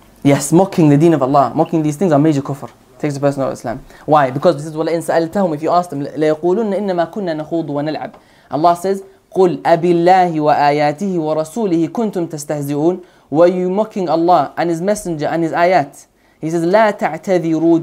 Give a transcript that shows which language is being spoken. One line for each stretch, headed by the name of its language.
English: Yes, mocking the deen of Allah. Mocking these things are major kufr. Takes the person out of Islam. Why? Because this is, well, in sa'altahum, if you ask them,
Arabic: لَيَقُولُنَّ إِنَّمَا كُنَّا نَخُوضُ وَنَلْعَبُ.
English: Allah says,
Arabic: قُلْ أَبِاللَّهِ وَآيَاتِهِ وَرَسُولِهِ كُنْتُمْ تَسْتَهْزِئُونَ.
English: Were you mocking Allah and His Messenger and His ayat? He says,
Arabic: لَا تَعْتَذِرُوا.